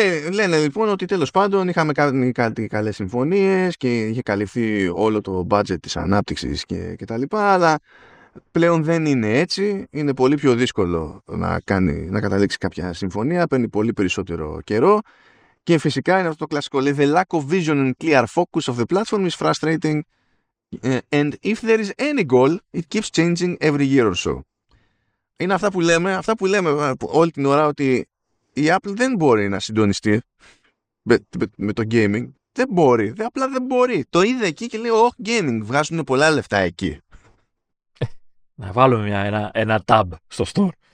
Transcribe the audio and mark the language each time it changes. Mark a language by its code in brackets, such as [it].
[el] Λένε λοιπόν ότι τέλος πάντων είχαμε κάτι καλές συμφωνίες και είχε καλυφθεί όλο το budget της ανάπτυξης και τα λοιπά, αλλά πλέον δεν είναι έτσι. Είναι πολύ πιο δύσκολο να καταλήξει κάποια συμφωνία, παίρνει πολύ περισσότερο καιρό και φυσικά είναι αυτό το κλασικό. Λέει, [en] the lack of vision and clear focus of the platform is frustrating and if there is any goal, it keeps changing every year or so. [el] Είναι αυτά που λέμε όλη την ώρα, ότι η Apple δεν μπορεί να συντονιστεί με το gaming. Δεν μπορεί. Απλά δεν μπορεί. Το είδε εκεί και λέει, oh, gaming, βγάζουν πολλά λεφτά εκεί. Να βάλουμε ένα tab στο store.